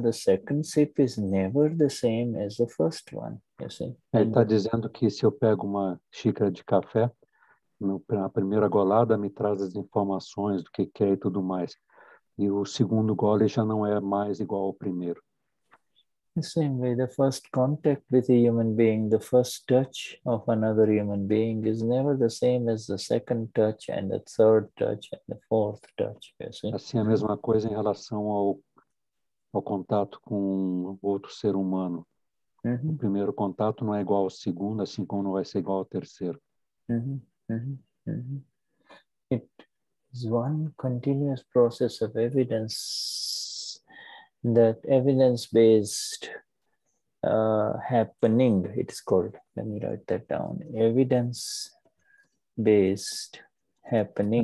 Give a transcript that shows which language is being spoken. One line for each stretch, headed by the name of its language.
English: The second sip is never the same as the first one. You see.
Portuguese: Ele está dizendo que se eu pego uma xícara de café, na primeira golada me traz as informações do que é e tudo mais. E o segundo gole já não é mais igual ao primeiro.
English: The same way, the first contact with a human being, the first touch of another human being is never the same as the second touch and the third touch and the fourth touch.
Portuguese: Assim, a mesma coisa em relação ao contato com outro ser humano. O primeiro contato não é igual ao segundo, assim como não vai ser igual ao terceiro.
English: It's one continuous process of evidence, that evidence-based happening, it's called, let me write that down, evidence-based happening.